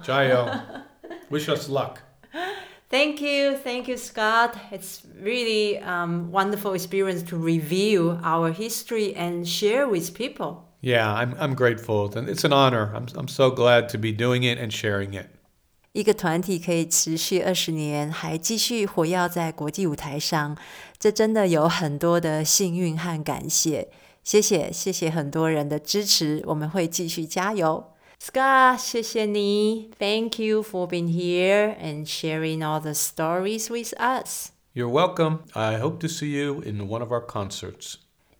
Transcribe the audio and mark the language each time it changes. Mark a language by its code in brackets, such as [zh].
[zh] 加油! [en] Wish us luck. Thank you, Scott. It's really a wonderful experience to review our history and share with people. Yeah, I'm grateful. It's an honor. I'm so glad to be doing it and sharing it. [zh] 一个团体可以持续20年，还继续活跃在国际舞台上，这真的有很多的幸运和感谢。谢谢很多人的支持，我们会继续加油。 Scott, 谢谢你。 [en] Thank you for being here and sharing all the stories with us. You're welcome. I hope to see you in one of our concerts.